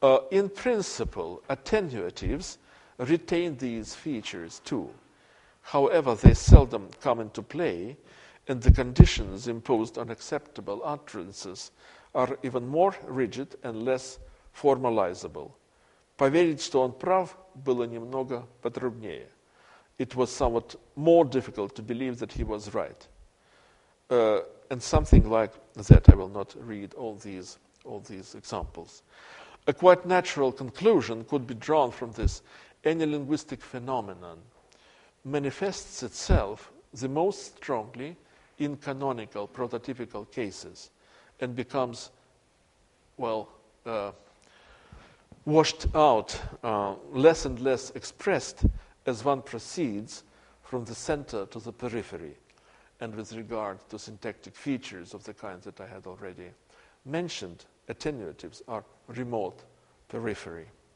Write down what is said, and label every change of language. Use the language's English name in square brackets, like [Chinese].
[English] In principle, attenuatives retain these features too. However, they seldom come into play, and the conditions imposed on acceptable utterances are even more rigid and less formalizable. [Russian] Поверить, что он прав, было немного потруднее. [English] It was somewhat more difficult to believe that he was right. And something like that, I will not read all these examples. A quite natural conclusion could be drawn from this. Any linguistic phenomenon manifests itself the most strongly in canonical, prototypical cases, and becomes, washed out, less and less expressed as one proceeds from the center to the periphery, and with regard to syntactic features of the kind that I had already mentioned, attenuatives are remote periphery.